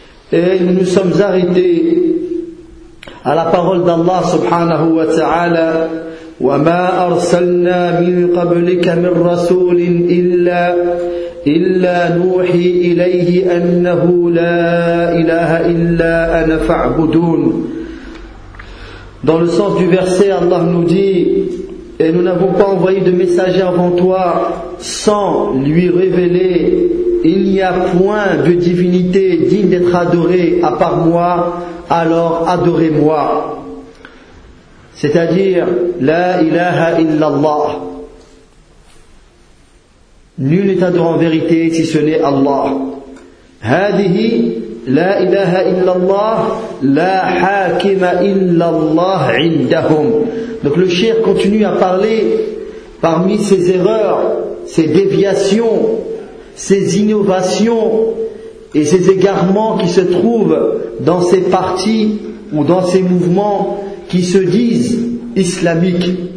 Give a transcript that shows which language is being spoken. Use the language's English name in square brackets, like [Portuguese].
[French] Et nous nous sommes arrêtés à la parole d'Allah [Arabic] subhanahu wa ta'ala. Wa ma arsalna min qablika min rasulin إلا نوحي إليه أنه لا إله إلا أنا فاعبدون. [French] Dans le sens du verset, Allah nous dit, et nous n'avons pas envoyé de messager avant toi sans lui révéler, il n'y a point de divinité digne d'être adorée à part moi, alors adorez-moi. C'est-à-dire, [Arabic] لا إله إلا الله. [French] Nul n'est adoré en vérité si ce n'est Allah. [Arabic] Hadihi, la ilaha illallah, la hakima illallah indahum. [French] Donc le cheikh continue à parler parmi ses erreurs, ses déviations, ses innovations et ses égarements qui se trouvent dans ses partis ou dans ses mouvements qui se disent islamiques.